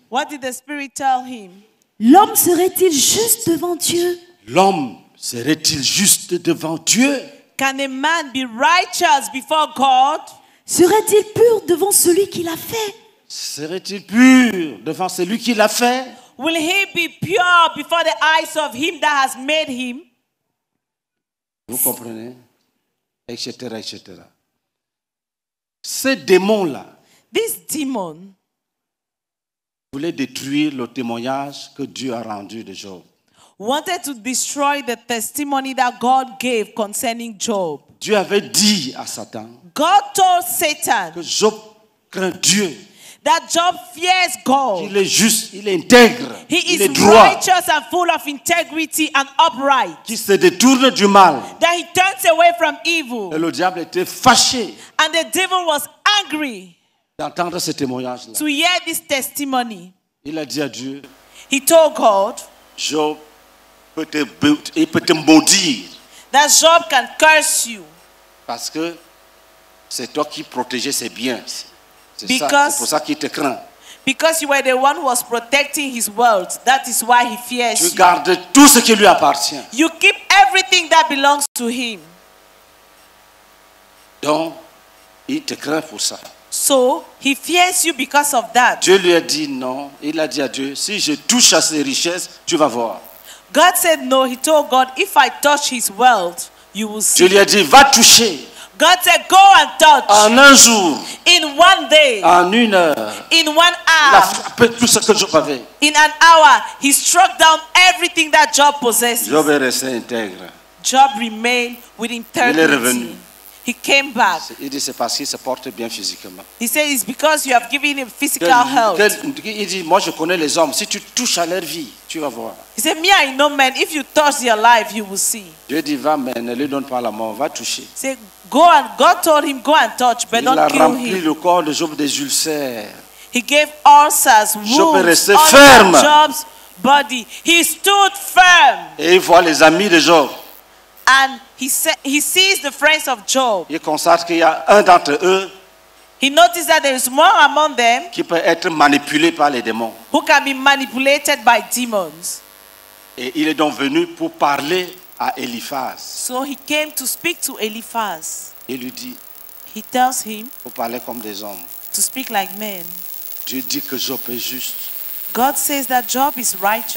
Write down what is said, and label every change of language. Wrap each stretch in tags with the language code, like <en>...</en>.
<en>What did the spirit tell him?</en> <fr>L'homme serait-il juste devant Dieu? L'homme serait-il juste devant Dieu?</fr> <en>Can a man be righteous before God?</en> <fr>Serait-il pur devant celui qui l'a fait? Serait-il pur devant celui qui l'a fait?</fr> <en>Will he be pure before the eyes of him that has made him?</en> <fr>Vous comprenez? Etc. etc. Ce démon-là.</fr> <en>This demon.</en> <fr>Voulait détruire le témoignage que Dieu a rendu de Job.</fr> <en>Wanted to destroy the testimony that God gave concerning Job.</en> <fr>Dieu avait dit à Satan.</fr> <en>God told Satan.</en> <fr>Que Job craint Dieu.</fr> <en>That Job fears God.</en> <fr>Il est juste, il est intègre.</fr> <en>He</en> <fr>il</fr> <en>is</en> <fr>est droit.</fr> <en>Righteous and full of integrity and upright.</en> <fr>Qui se détourne du mal.</fr> <en>That he turns away from evil.</en> <fr>Et le diable était fâché.</fr> <en>And the devil was angry.</en> <fr>D'entendre ce témoignage-là.</fr> <en>To hear this testimony.</en> <fr>Il a dit à Dieu.</fr> <en>He told God.</en> <fr>Job peut te maudire.</fr> <en>That Job can curse you.</en> <fr>Parce que c'est toi qui protégeais ses biens. C'est pour ça qu'il te craint.</fr> <en>Because you were the one who was protecting his wealth. That is why he fears you.</en> <fr>Tu gardes tout ce qui lui appartient.</fr> <en>You keep everything that belongs to him.</en> <fr>Donc, il te craint pour ça.</fr> <en>So he fears you because of that.</en> <fr>Dieu lui a dit non. Il a dit à Dieu, si je touche à ses richesses, tu vas voir.</fr> <en>God said no. He told God, if I touch his wealth, you will see.</en> <fr>Dieu lui a dit, va toucher.</fr> <en>God said, go and touch.</en> <fr>En un jour.</fr> <en>In one day.</en> <fr>En une heure.</fr> <en>In one hour.</en> <fr>Il a frappé tout ce que Job avait.</fr> <en>In an hour, he struck down everything that Job possesses.</en> <fr>Job est resté intègre.</fr> <en>Job remained with integrity.</en> <fr>Il est revenu.</fr> <en>He came back.</en> <fr>Il dit, c'est parce qu'il se porte bien physiquement.</fr> <en>He said, it's because you have given him physical health.</en> <fr>Il dit, moi je connais les hommes. Si tu touches à leur vie, tu vas voir.</fr> <en>He said, me I know men. If you touch their life, you will see.</en> <fr>Dieu dit, va mais ne lui donne pas la mort. Va toucher.</fr> <en>He said, go and God told him, go and touch, but don't kill him.</en> <fr>Il a rempli le corps de Job des ulcères.</fr> <en>He gave ulcers, wounds on Job's body. He stood firm.</en> <fr>Et il voit les amis de Job.</fr> <en>And he sees the friends of Job.</en> <fr>Il constate qu'il y a un d'entre eux.</fr> <en>He notices that there is one among them</en> <fr>qui peut être manipulé par les démons.</fr> <en>Who can be manipulated by demons.</en> <fr>Et il est donc venu pour parler à Eliphaz.</fr> <en>So he came to speak to Eliphaz.</en> <fr>Il lui dit.</fr> <en>He tells him.</en> <fr>Pour parler comme des hommes.</fr> <en>To speak like men.</en> <fr>Dieu dit que Job est juste.</fr> <en>God says that Job is righteous.</en>